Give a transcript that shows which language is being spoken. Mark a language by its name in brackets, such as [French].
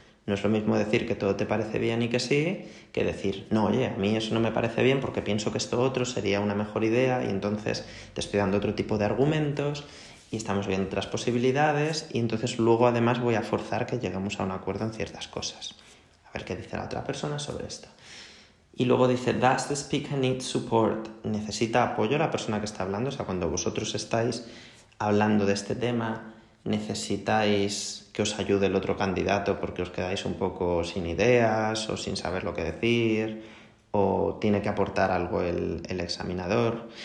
[Spanish] No es lo mismo decir que todo te parece bien y que sí, que decir, no, oye, a mí eso no me parece bien porque pienso que esto otro sería una mejor idea y entonces te estoy dando otro tipo de argumentos y estamos viendo otras posibilidades y entonces luego además voy a forzar que lleguemos a un acuerdo en ciertas cosas. A ver qué dice la otra persona sobre esto. Y luego dice, [English] Does the speaker need support? [Spanish] ¿Necesita apoyo la persona que está hablando? O sea, cuando vosotros estáis hablando de este tema, necesitáis que os ayude el otro candidato porque os quedáis un poco sin ideas o sin saber lo que decir o tiene que aportar algo el examinador.